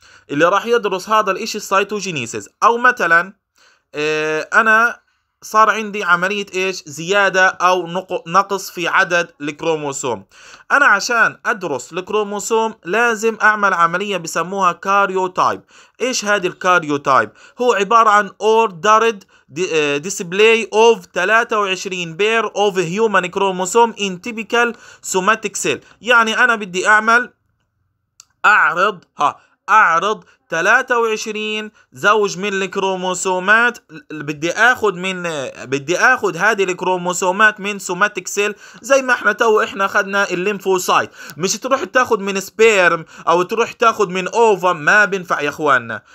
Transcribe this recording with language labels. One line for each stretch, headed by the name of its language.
Arabic: اللي راح يدرس هذا الاشي السيتوجينيسيس. او مثلا انا صار عندي عملية ايش؟ زيادة او نقص في عدد الكروموسوم. انا عشان ادرس الكروموسوم لازم اعمل عملية بسموها كاريوتايب. ايش هذه الكاريوتايب؟ هو عبارة عن
English: ordered display of 23 pair of human chromosome in typical somatic cell.
Arabic: يعني انا بدي اعرضها، أعرض 23 زوج من الكروموسومات، بدي اخذ هذه الكروموسومات من سوماتيك سيل، زي ما احنا تو احنا اخذنا الليمفوسايت. مش تروح تاخذ من سبيرم او تروح تاخذ من اوفم، ما بينفع يا اخواننا.